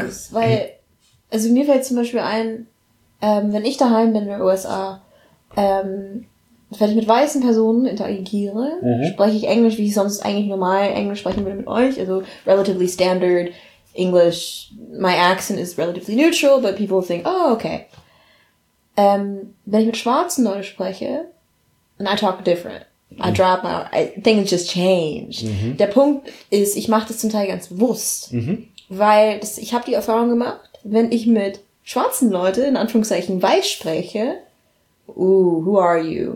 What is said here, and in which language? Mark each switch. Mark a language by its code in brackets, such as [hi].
[de] Weil, also mir fällt zum Beispiel ein, wenn ich daheim bin in den USA, wenn ich mit weißen Personen interagiere, spreche ich Englisch, wie ich sonst eigentlich normal Englisch sprechen würde mit euch, also [en] relatively standard English, my accent is relatively neutral, but people think, oh, okay. [de] Wenn ich mit Schwarzen Leute spreche, [en] and I talk different. I drop my, I think it's just changed. Mhm. [de] Der Punkt ist, ich mache das zum Teil ganz bewusst, weil ich habe die Erfahrung gemacht, wenn ich mit schwarzen Leuten, in Anführungszeichen weiß spreche, [en] who are you?